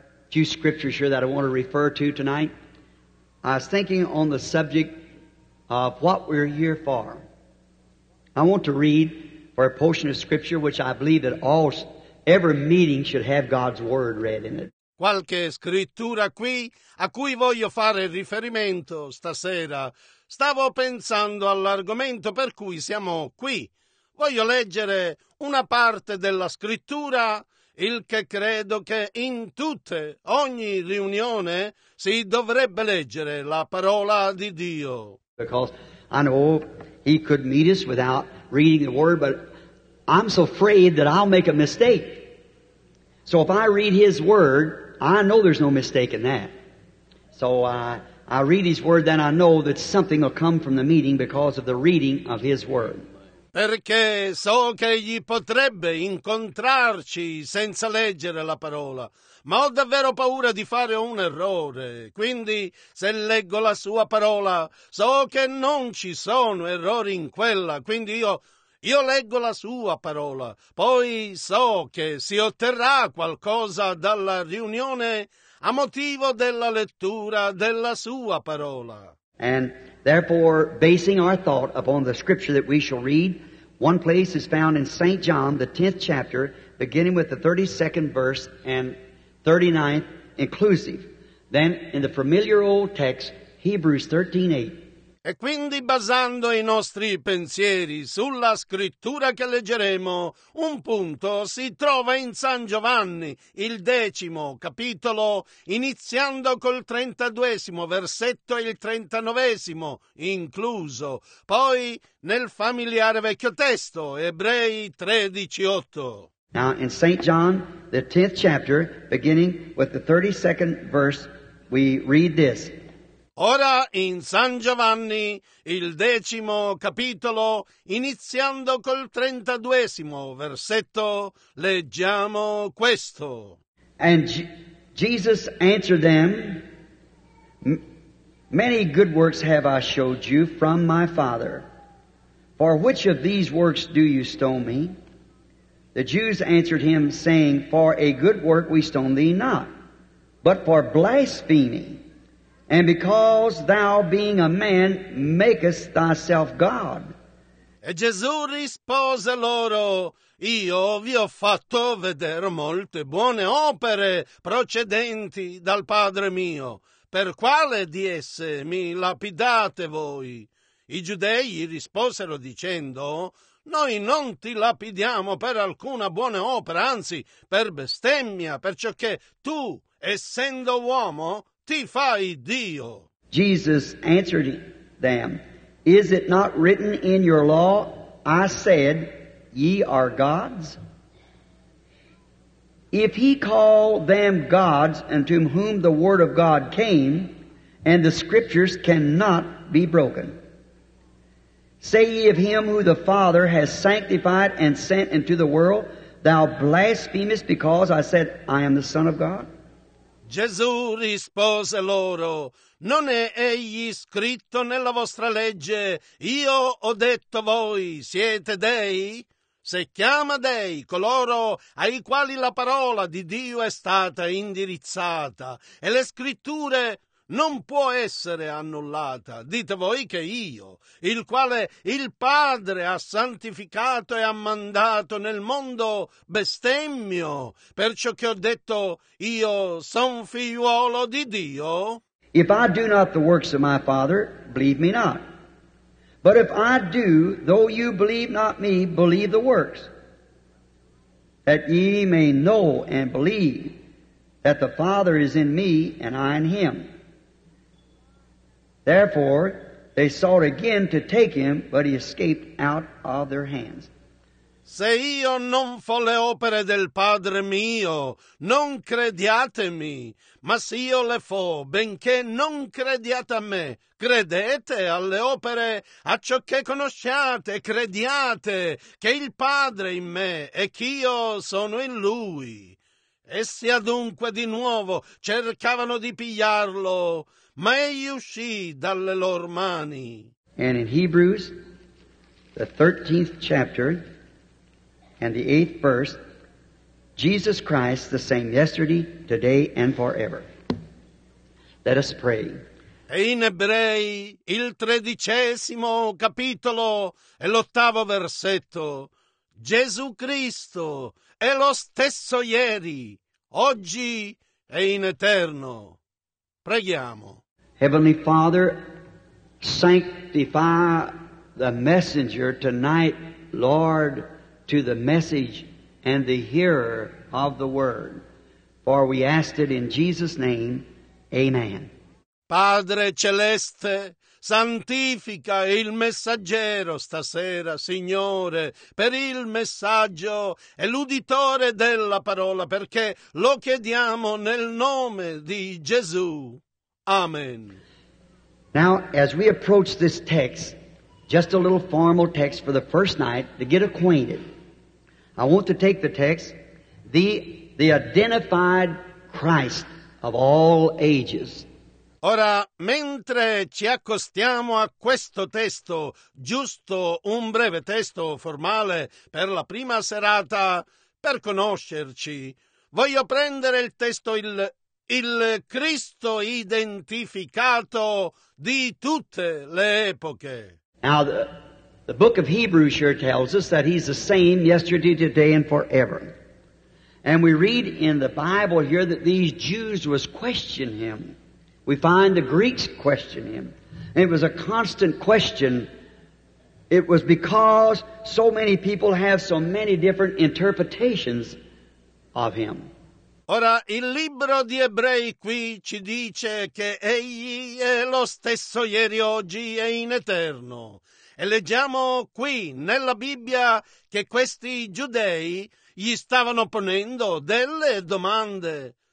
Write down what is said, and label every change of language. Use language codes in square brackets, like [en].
[en] Few scriptures here that I want to refer to tonight. I was thinking on the subject of what we're here for. I want to read for a portion of scripture which I believe that all every meeting should have God's word read in it. [it] Qualche scrittura qui a cui voglio fare riferimento stasera. Stavo pensando all'argomento per cui siamo qui. Voglio leggere una parte della scrittura. Il che credo che in tutte, ogni riunione, si dovrebbe leggere la parola di Dio. [en] Because I know he could meet us without reading the word, but I'm so afraid that I'll make a mistake. So if I read his word, I know there's no mistake in that. So I read his word, then I know that something will come from the meeting because of the reading of his word. [it] Perché so che egli potrebbe incontrarci senza leggere la parola, ma ho davvero paura di fare un errore. Quindi, se leggo la sua parola, so che non ci sono errori in quella. Quindi io leggo la sua parola. Poi so che si otterrà qualcosa dalla riunione a motivo della lettura della sua parola. [en] And therefore, basing our thought upon the scripture that we shall read, one place is found in St. John, the 10th chapter, beginning with the 32nd verse and 39th inclusive. Then, in the familiar old text, Hebrews 13:8. [it] E quindi, basando i nostri pensieri sulla scrittura che leggeremo, un punto si trova in San Giovanni, il 10° capitolo, iniziando col 32° versetto e il 39° incluso. Poi, nel familiare vecchio testo, Ebrei 13:8. [en] Now, in St. John, the 10th chapter, beginning with the 32nd verse, we read this. [it] Ora in San Giovanni, il 10° capitolo, iniziando col 32° versetto, leggiamo questo. [en] And Jesus answered them, Many good works have I showed you from my Father. For which of these works do you stone me? The Jews answered him, saying, For a good work we stone thee not, but for blasphemy. And because thou being a man makest thyself God. [it] E Gesù rispose loro, Io vi ho fatto vedere molte buone opere procedenti dal Padre mio. Per quale di esse mi lapidate voi? I giudei risposero dicendo, Noi non ti lapidiamo per alcuna buona opera, anzi per bestemmia, perciò che tu, essendo uomo, ti fai Dio. [en] Jesus answered them, Is it not written in your law, I said, Ye are gods? If he call them gods unto whom the word of God came, and the scriptures cannot be broken, say ye of him who the Father has sanctified and sent into the world, Thou blasphemest because I said, I am the Son of God? [it] Gesù rispose loro, Non è egli scritto nella vostra legge, Io ho detto voi, siete dei? Se chiama dei coloro ai quali la parola di Dio è stata indirizzata e le scritture non può essere annullata, dite voi che io, il quale il Padre ha santificato e ha mandato nel mondo, bestemmio, perciò che ho detto, io son figliuolo di Dio. [en] If I do not the works of my Father, believe me not. But if I do, though you believe not me, believe the works, that ye may know and believe that the Father is in me and I in him. Therefore, they sought again to take him, but he escaped out of their hands. [it] Se io non fo le opere del Padre mio, non crediatemi, ma se io le fo, benché non crediate a me, credete alle opere, a ciò che conosciate, crediate che il Padre in me e ch'io sono in Lui. Essi adunque di nuovo cercavano di pigliarlo, ma egli uscì dalle loro mani. [en] And in Hebrews, the 13th chapter, and the 8th verse, Jesus Christ the same yesterday, today, and forever. Let us pray. [it] E in Ebrei, il 13° capitolo e l'8° versetto, Gesù Cristo è lo stesso ieri, oggi e in eterno. Preghiamo. [en] Heavenly Father, sanctify the messenger tonight, Lord, to the message and the hearer of the word. For we ask it in Jesus' name. Amen. [it] Padre Celeste, santifica il messaggero stasera, Signore, per il messaggio e l'uditore della parola, perché lo chiediamo nel nome di Gesù. Amen. [en] Now, as we approach this text, just a little formal text for the first night to get acquainted, I want to take the text, the identified Christ of all ages. [it] Ora, mentre ci accostiamo a questo testo, giusto un breve testo formale per la prima serata, per conoscerci, voglio prendere il testo, il Cristo identificato di tutte le epoche. [en] Now, the book of Hebrews sure tells us that he's the same yesterday, today, and forever. And we read in the Bible here that these Jews was questioning him. We find the Greeks question him. And it was a constant question. It was because so many people have so many different interpretations of him. [it] Ora, il libro di Ebrei qui ci dice che egli è lo stesso ieri, oggi e in eterno. E leggiamo qui nella Bibbia che questi giudei gli stavano ponendo delle domande.